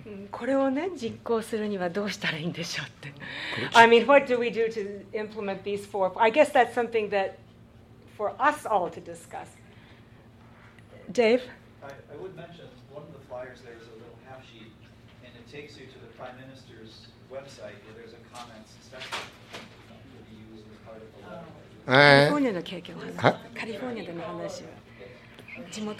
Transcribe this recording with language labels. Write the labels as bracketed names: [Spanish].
[Japanese] これをね実行するにはどうしたらいいんでしょうって。 [English] I mean, what do we do to implement these four? I guess that's something that for us all to discuss. Dave? I would mention one of the flyers there is a little half sheet, and it takes you to the Prime Minister's website where there's a comments section that can be used as part of the letter. [Japanese] カリフォルニアの経験は、カリフォルニアでの話は。